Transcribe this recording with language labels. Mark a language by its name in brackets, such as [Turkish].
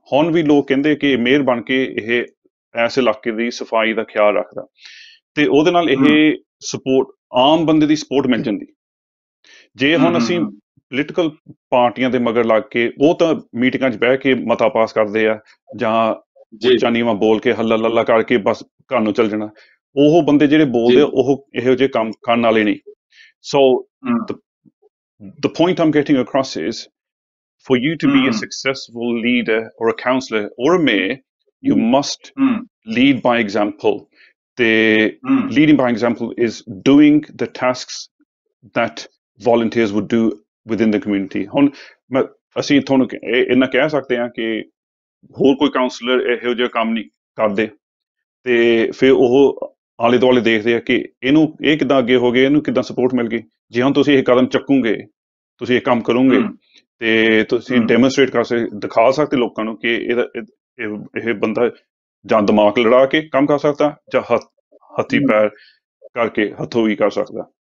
[Punjabi] ਹੁਣ ਵੀ ਲੋਕ ਕਹਿੰਦੇ ਕਿ ਮੇਅਰ ਬਣ ਕੇ ਇਹ ਇਸ ਇਲਾਕੇ ਦੀ ਸਫਾਈ ਦਾ ਖਿਆਲ ਰੱਖਦਾ, ਤੇ ਉਹਦੇ ਨਾਲ ਇਹ ਸਪੋਰਟ ਆਮ ਬੰਦੇ ਦੀ ਸਪੋਰਟ ਮਿਲ ਜਾਂਦੀ। ਜੇ ਹੁਣ ਅਸੀਂ ਪੋਲੀਟੀਕਲ ਪਾਰਟੀਆਂ ਦੇ ਮਗਰ ਲੱਗ ਕੇ, ਉਹ ਤਾਂ ਮੀਟਿੰਗਾਂ 'ਚ ਬਹਿ ਕੇ ਮਤਾ ਪਾਸ ਕਰਦੇ ਆ ਜਾਂ ਉੱਚਾ ਨੀਵਾਂ ਬੋਲ ਕੇ ਹੱਲਾ ਲੱਲਾ ਕਰਕੇ ਬਸ ਘਰ ਨੂੰ ਚੱਲ ਜਾਣਾ, ਉਹ ਬੰਦੇ ਜਿਹੜੇ ਬੋਲਦੇ ਉਹ ਇਹੋ ਜਿਹੇ ਕੰਮ ਕਰਨ ਵਾਲੇ ਨਹੀਂ। [English] So The point I'm getting across is, for you to be a successful leader or a counselor or a mayor, you must lead by example. The leading by example is doing the tasks that volunteers would do within the community. [Punjabi] ਹੁਣ ਮੈਂ ਅਸੀਂ ਤੁਹਾਨੂੰ ਇੰਨਾ ਕਹਿ ਸਕਦੇ ਹਾਂ ਕਿ ਹੋਰ ਕੋਈ ਕਾਉਂਸਲਰ ਇਹੋ ਜਿਹਾ ਕੰਮ ਨਹੀਂ ਕਰਦੇ, ਤੇ ਫਿਰ ਉਹ ਆਲੇ ਦੁਆਲੇ ਦੇਖਦੇ ਆ ਕਿ ਇਹਨੂੰ ਇਹ ਕਿੱਦਾਂ ਅੱਗੇ ਹੋ ਗਏ, ਇਹਨੂੰ ਕਿੱਦਾਂ ਸਪੋਰਟ ਮਿਲ ਗਈ। ਜੇ ਹੁਣ ਤੁਸੀਂ ਇਹ ਕਦਮ ਚੱਕੋਗੇ, ਤੁਸੀਂ ਇਹ ਕੰਮ ਕਰੋਗੇ, ਤੇ ਤੁਸੀਂ ਡੈਮੋਸਟ੍ਰੇਟ ਕਰ ਸਕਦੇ, ਦਿਖਾ ਸਕਦੇ ਲੋਕਾਂ ਨੂੰ ਕਿ ਇਹ ਬੰਦਾ ਜਾਂ ਦਿਮਾਗ ਲੜਾ ਕੇ ਕੰਮ ਕਰ ਸਕਦਾ ਜਾਂ ਹੱਥੀ ਪੈਰ ਕਰਕੇ ਹੱਥੋਂ ਵੀ ਕਰ ਸਕਦਾ।